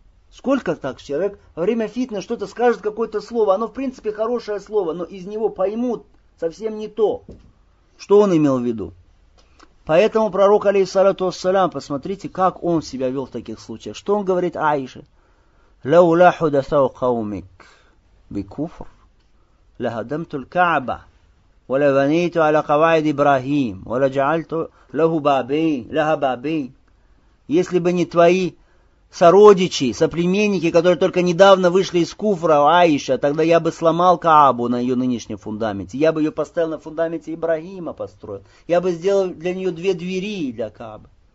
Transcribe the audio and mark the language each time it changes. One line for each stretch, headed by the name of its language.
Russian: Сколько так человек во время фитны что-то скажет, какое-то слово, оно в принципе хорошее слово, но из него поймут совсем не то, что он имел в виду. Поэтому пророк, алейхиссалату вассалям, посмотрите, как он себя вел в таких случаях. Что он говорит Аише?
Arabic: Лау ля худасау каумик. بكفر لهدمت الكعبة ولبنيت على قواعد إبراهيم ولجعلت له بابين لها بابين.
Russian: Если бы не твои сородичи, соплеменники, которые только недавно вышли из куфра, Аиша, тогда я бы сломал Каабу на ее нынешнем фундаменте. Я бы ее поставил на фундаменте Ибрагима построил. Я бы сделал для нее две двери для Каабы.